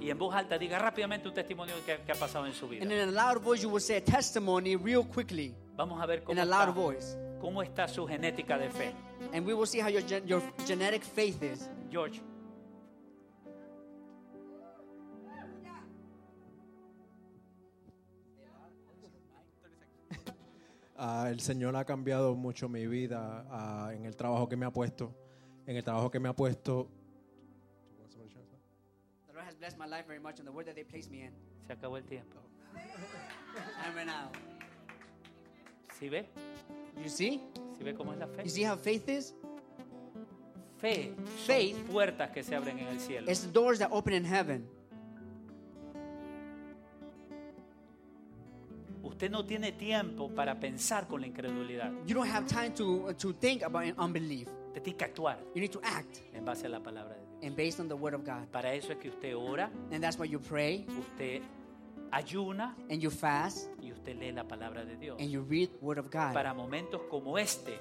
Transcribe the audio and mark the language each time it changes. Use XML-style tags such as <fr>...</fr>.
<es>Y en voz alta diga rápidamente un testimonio que ha pasado en su vida.</es> <en>And in a loud voice you will say a testimony real quickly.</en> <es>Vamos a ver cómo</es> <en>in a loud voice.</en> <es>¿Cómo está su genética de fe?</es> <en>And we will see how your genetic faith is. George.</en> <es>El Señor ha cambiado mucho mi vida en el trabajo que me ha puesto. En el trabajo que me ha puesto.</es> <en>The Lord has blessed my life very much in the work that they placed me in.</en> <es>Se acabó el tiempo.</es> <en>I'm right now.</en> <es>¿Sí ve?</es> <en>You see?</en> <es>¿Sí ve cómo es la fe?</es> <en>You see how faith is?</en> <es>Fe.</es> <en>Faith.</en> <es>Puertas que se abren en el cielo.</es> <en>It's doors that open in heaven.</en> <es>Usted no tiene tiempo para pensar con la incredulidad.</es> <en>You don't have time to think about unbelief.</en> <es>Te tiene que actuar.</es> <en>You need to act.</en> <es>En base a la palabra de Dios.</es> <en>And based on the word of God.</en> <es>Para eso es que usted ora.</es> <en>And that's why you pray.</en> <es>Usted ayuna.</es> <en>And you fast.</en> <es>Y usted lee la palabra de Dios.</es> <en>And you read word of God.</en> <es>Para momentos como este.</es>